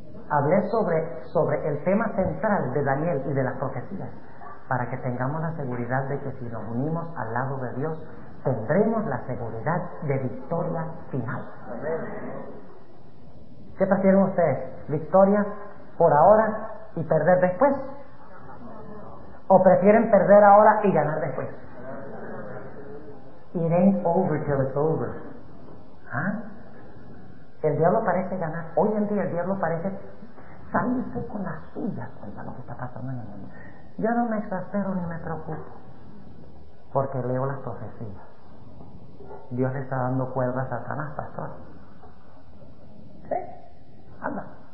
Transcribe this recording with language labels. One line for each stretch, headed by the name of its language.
Spanish: Hablé sobre el tema central de Daniel y de las profecías, para que tengamos la seguridad de que si nos unimos al lado de Dios, tendremos la seguridad de victoria final. ¿Qué prefieren ustedes? ¿Victoria por ahora y perder después? ¿O prefieren perder ahora y ganar después?
English: It ain't over till it's over.
Spanish: ¿Ah? El diablo parece ganar. Hoy en día el diablo parece salirse con las suyas contra lo que está pasando en el mundo. Yo no me exaspero ni me preocupo porque leo las profecías. Dios le está dando cuerdas a Satanás, pastor. ¿Sí? Anda.